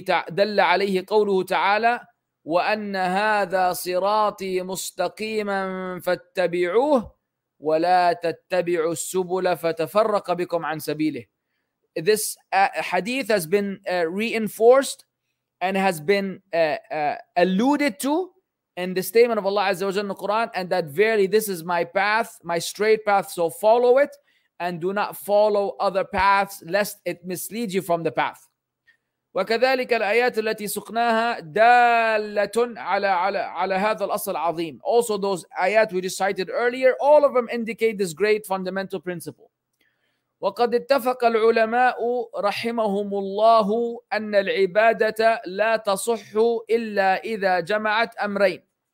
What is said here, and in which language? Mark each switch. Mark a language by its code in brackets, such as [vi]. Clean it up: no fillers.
[ar] دل عليه قوله تعالى وأن هذا صراطي مستقيما فاتبعوه ولا تتبعوا السبل فتفرق بكم عن سبيله. [en] This hadith has been reinforced and has been alluded to in the statement of Allah Azza wa Jalla in the Quran, and that verily this is my path, my straight path, so follow it and do not follow other paths lest it mislead you from the path. [ar] وكذلك الآيات التي سقناها دالة على هذا الأصل العظيم. [en] Also those آيات we just cited earlier, all of them indicate this great fundamental principle. [ar] وقد اتفق العلماء رحمهم الله أن العبادة لا تصح إلا إذا جمعت أمرين.